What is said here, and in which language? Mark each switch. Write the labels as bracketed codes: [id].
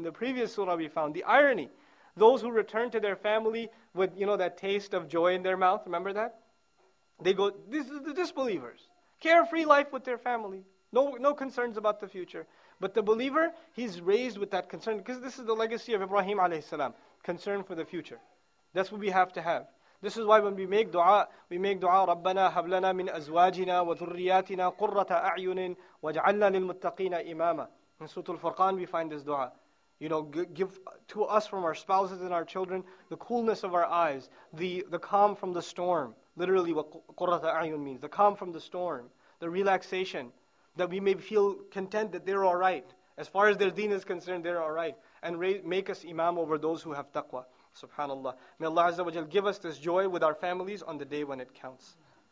[en] In the previous surah we found the irony. Those who return to their family with, you know, that taste of joy in their mouth, remember that? They go, this is the disbelievers. Carefree life with their family. No concerns about the future. But the believer, he's raised with that concern. Because this is the legacy of Ibrahim alayhi salam. Concern for the future. That's what we have to have. This is why when we make dua, [ar] رَبَّنَا هَبْلَنَا مِنْ أَزْوَاجِنَا وَذُرِّيَاتِنَا قُرَّةَ أَعْيُنٍ وَاجْعَلْنَا لِلْمُتَّقِينَ إِمَامًا. [en] In Surah Al-Furqan, we find this dua. You know, give to us from our spouses and our children the coolness of our eyes, the calm from the storm. Literally what قُرَّةَ أَعْيُنٍ means. The calm from the storm, the relaxation, that we may feel content that they're all right. As far as their deen is concerned, they're all right. And make us imam over those who have taqwa. SubhanAllah. May Allah Azza wa Jal give us this joy with our families on the day when it counts. Mm-hmm.